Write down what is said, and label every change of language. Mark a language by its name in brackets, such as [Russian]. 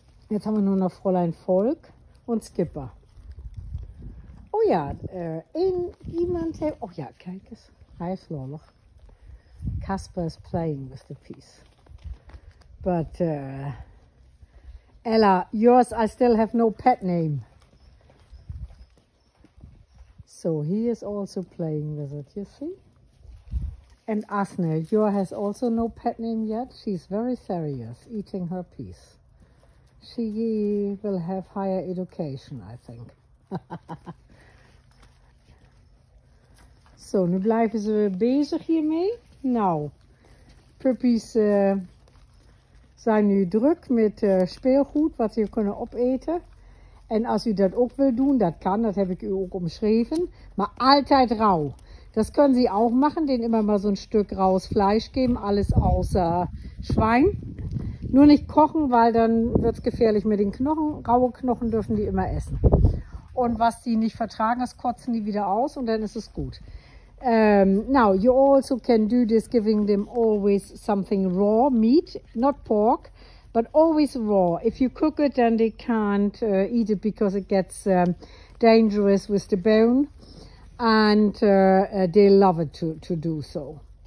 [German] Jetzt haben wir nur noch Fräulein Volk und Skipper. [Dutch] Oh ja, jemand, oh ja, kijk eens. Hij is nog. [English] Kasper is playing with the piece. But, Ella, yours, I still have no pet name. So he is also playing with it, you see. And Asne, your has also no pet name yet. She's very serious, eating her piece. She will have higher education, I think. [Dutch] So, nu blijven ze bezig hiermee. Nou, puppies zijn nu druk met speelgoed wat ze kunnen opeten. En als u dat ook wil doen, dat kan, dat heb ik u ook omschreven. Maar altijd rauw. Dat kunnen ze ook [German] machen, denen immer mal so ein Stück raues Fleisch geben, alles außer Schwein. Nur nicht kochen, weil dann wird es gefährlich mit den Knochen. Raue Knochen dürfen die immer essen. Und was die nicht vertragen, das kotzen die wieder aus und dann ist es gut. [English] Now, you also can do this, giving them always something raw, meat, not pork. But always raw. If you cook it, then they can't eat it because it gets dangerous with the bone. And they love it to do so.